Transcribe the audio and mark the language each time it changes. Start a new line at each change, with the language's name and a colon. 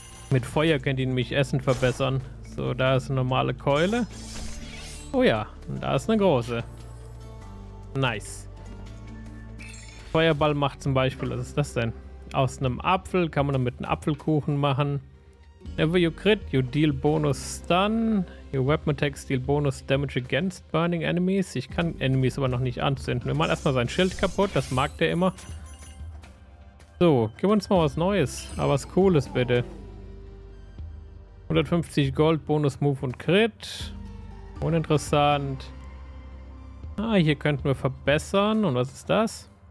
German: Mit Feuer könnt ihr nämlich Essen verbessern. So, da ist eine normale Keule. Oh ja, und da ist eine große. Nice. Feuerball macht zum Beispiel, was ist das denn? Aus einem Apfel, kann man damit einen Apfelkuchen machen.
English: Whenever you crit, you deal bonus stun. Your weapon attacks deal bonus damage against burning enemies.
German: Ich kann Enemies aber noch nicht anzünden. Wir machen erstmal sein Schild kaputt, das mag der immer. So, gib uns mal was Neues, aber was Cooles bitte. 150 Gold, Bonus Move und Crit. Uninteressant. Ah, hier könnten wir verbessern. Und was ist das?